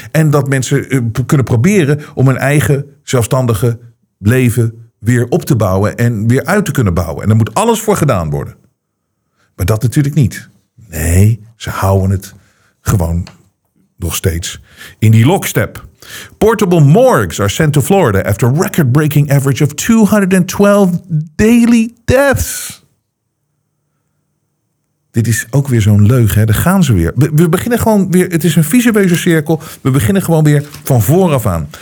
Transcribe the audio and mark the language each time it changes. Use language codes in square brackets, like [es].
[nl] En dat mensen kunnen proberen om hun eigen zelfstandige leven weer op te bouwen. En weer uit te kunnen bouwen. En er moet alles voor gedaan worden. Maar dat natuurlijk niet. Nee, ze houden het gewoon nog steeds in die lockstep. [en] Portable morgues are sent to Florida after record-breaking average of 212 daily deaths. [nl] Dit is ook weer zo'n leugen, hè? Daar gaan ze weer. We beginnen gewoon weer, het is een visueuze cirkel. We beginnen gewoon weer van vooraf aan.